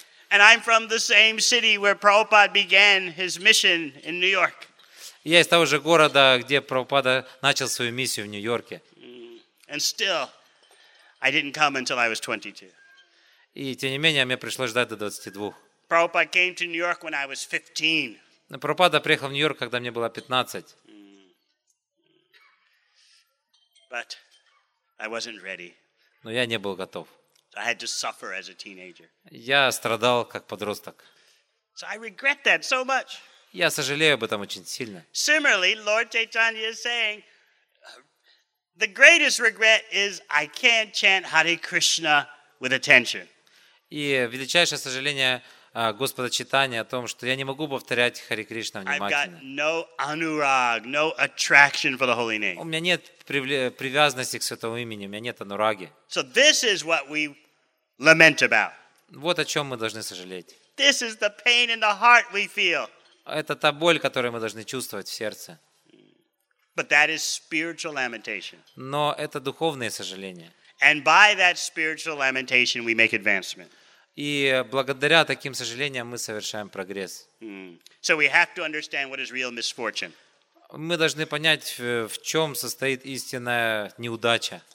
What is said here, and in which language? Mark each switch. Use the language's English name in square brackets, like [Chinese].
[English] And I'm from the same city where Prabhupada began his mission in New York. [Russian] Я из того же города, где Прабхупада начал свою миссию в Нью-Йорке. [English] And still, I didn't come until I was 22. [Russian] И тем не менее, мне пришлось ждать до 22. [English] Prabhupada came to New York when I was 15. [Russian] Прабхупада приехал в Нью-Йорк, когда мне было 15. [English] But I wasn't ready. [Russian] Но я не был готов. [English] I had to suffer as a teenager. [Russian] Я страдал как подросток. [English] So I regret that so much. [Russian] Я сожалею об этом очень сильно. [English] Similarly, Lord Chaitanya is saying, the greatest regret is I can't chant Hare Krishna with attention. [Russian] И величайшее сожаление Господа Чайтаньи о том, что я не могу повторять Харе Кришна внимательно. [English] I've got no anurag, no attraction for the holy name. [Russian] У меня нет привязанности к святому имени, у меня нет анураги. [English] So this is what we lament about. [Russian] Вот о чем мы должны сожалеть. [English] This is the pain in the heart we feel. [Russian] Это та боль, которую мы должны чувствовать в сердце. [English] But that is spiritual lamentation. [Russian] Но это духовные сожаления. [English] And by that spiritual lamentation we make advancement. [Russian] И благодаря таким сожалениям мы совершаем прогресс. [English] So we have to understand what is real misfortune. [Russian] Мы должны понять, в чем состоит истинная неудача.